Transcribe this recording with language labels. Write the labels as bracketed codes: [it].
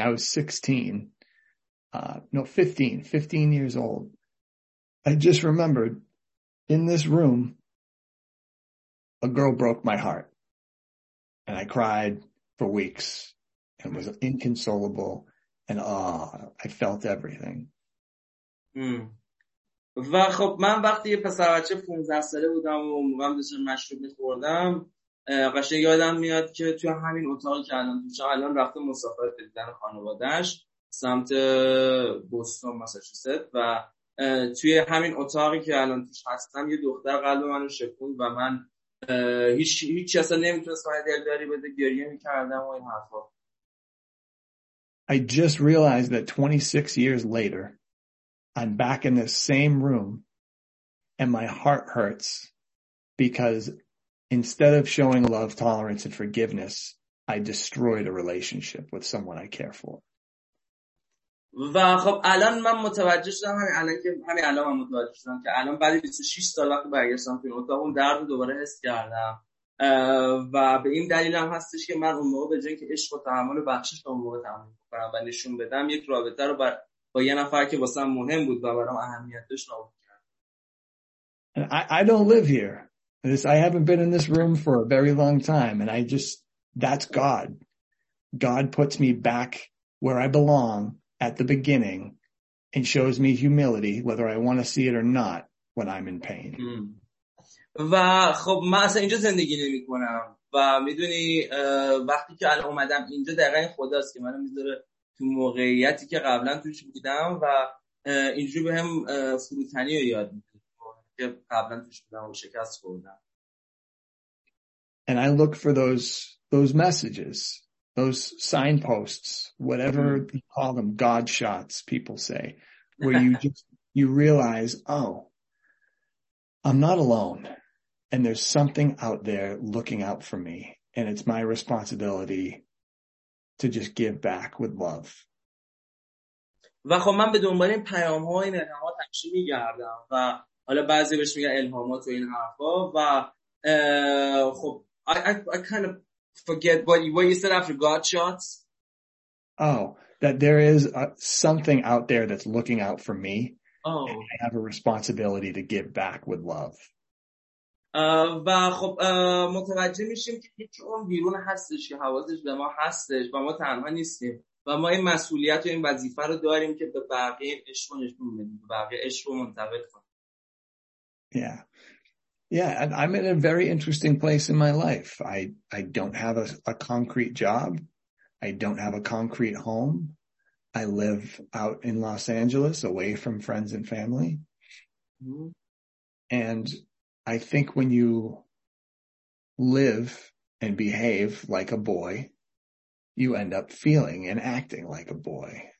[en] I was 16, no, 15, 15 years old. I just remembered in this room, a girl broke my heart. And I cried for weeks and was inconsolable. And I felt everything. [fa] و خب من وقتی یه پسر بچه 15 ساله بودم و اون موقعم داشتم مشروب می‌خوردم، قشنگ یادم میاد که توی همین اتاق که الان تو چه الان رفته مسافرت دیدن خانواده‌اش سمت بوستون ماساچوست و توی همین اتاقی که الان توش هستم یه دختر قلب منو شکوند و من هیچ اصلا نمیتونستم دلداری بده، گریه می‌کردم و این حرفا. [en] I just realized that 26 years later I'm back in the same room and my heart hurts because instead of showing love, tolerance, and forgiveness, I destroyed a relationship with someone I care for. [fa] و خب الان من متوجه شدم همین الان بعد 26 سال وقت برگشتم توی اتاق اون درد رو دوباره حس کردم و به این دلیل هم هستش که من اون موقع به جای که عشق و تحمل و بخشش رو اون موقع تحمل کنم و نشون بدم یک رابطه رو بر با یه نفر که واسه من مهم بود و برام اهمیت داشت رو کردم. [en] And I don't live here. I haven't been in this room for a very long time. And I just, that's God. God puts me back where I belong at the beginning and shows me humility, whether I want to see it or not, when I'm in pain. [fa] و خب من اصلا اینجا زندگی نمی کنم و میدونی وقتی که الان اومدم اینجا دقیقا خداست که منو میذاره تو موقعیتی که قبلا توش بودم و اینجوری به هم فروتنی رو یاد میده که قبلا توش بودم و شکست خوردم. [en] And I look for those messages, those signposts, whatever you call them, God shots, people say, where you realize, oh, I'm not alone. And there's something out there looking out for me. And it's my responsibility to just give back with love. [fa] و خب من به دنبال این پیام ها این الهامات همیشه میگردم و حالا بعضی بهش میگن الهامات و این حرفا و خب [en] I kind of forget what you said after God shots. Oh, that there is something out there that's looking out for me. Oh. And I have a responsibility to give back with love. [fa] و خب متوجه میشیم که هیچ اون بیرون هستش که حواسش به ما هستش و ما تنها نیستیم و ما این مسئولیت و این وظیفه رو داریم که به بقیه عشق رو نشون بدیم، به بقیه عشق رو منتقل کنیم. [en] Yeah, and I'm in a very interesting place in my life. I don't have a concrete job. I don't have a concrete home. I live out in Los Angeles, away from friends and family. Mm-hmm. And I think when you live and behave like a boy, you end up feeling and acting like a boy.